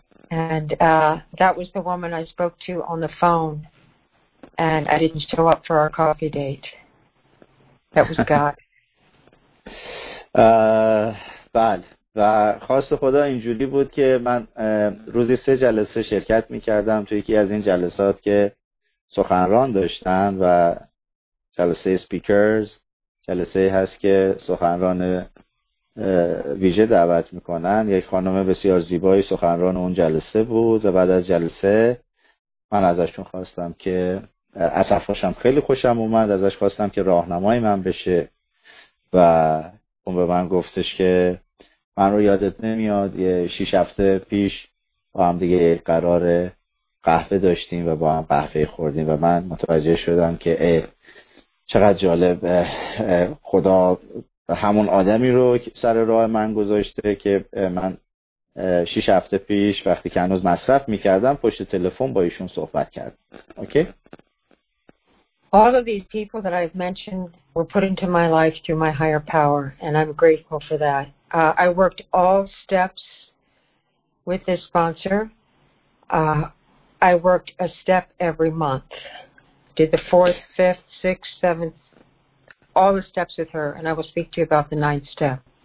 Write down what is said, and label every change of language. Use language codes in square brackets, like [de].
[en] And that was the woman I spoke to on the phone and I didn't show up for our coffee date. That was God. [fa] بله و خواست خدا اینجوری بود که من روزی 3 جلسه شرکت میکردم. توی یکی از این جلسات که سخنران داشتن و جلسه سپیکرز جلسه هست که سخنران ویژه دعوت میکنن، یک خانم بسیار زیبای سخنران اون جلسه بود و بعد از جلسه من ازشون خواستم که از حرفاشم خیلی خوشم اومد، ازش خواستم که راهنمای من بشه و اون به من گفتش که من رو یادت نمیاد یه 6 هفته پیش با هم دیگه قرار قهوه داشتیم و با هم قهوه خوردیم و من متوجه شدم که چقدر جالب، خدا همون آدمی رو سر راه من گذاشته که من 6 هفته پیش وقتی که هنوز مصرف میکردم پشت تلفن با ایشون صحبت کردم. [en] Okay. All of these people that I've mentioned were put into my life through my higher power and I'm grateful for that. I worked all steps with this sponsor. I worked a step every month. Did the 4th, 5th, 6th, 7th, all the steps with her, and I will speak to you about the 9th step.